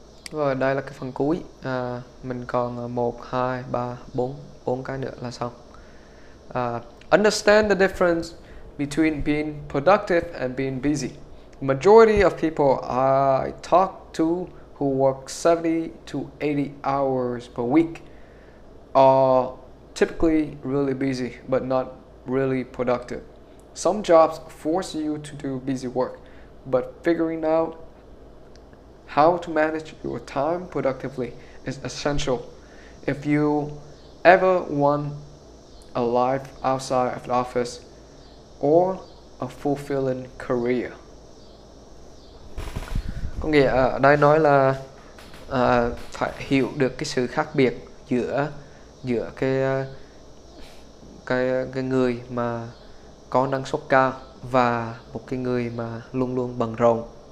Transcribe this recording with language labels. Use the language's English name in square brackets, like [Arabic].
[Vietnamese] Rồi đây là cái phần cuối à, mình còn 1, 2, 3, 4 4 cái nữa là xong à, [English] Understand the difference between being productive and being busy. Majority of people I talk to who work 70 to 80 hours per week are typically really busy but not really productive. Some jobs force you to do busy work, but figuring out how to manage your time productively is essential if you ever want a life outside of the office or a fulfilling career. [Vietnamese] Có nghĩa ở đây nói là phải hiểu được cái sự khác biệt giữa giữa cái người mà có năng suất cao và một cái người mà luôn luôn bận rộn.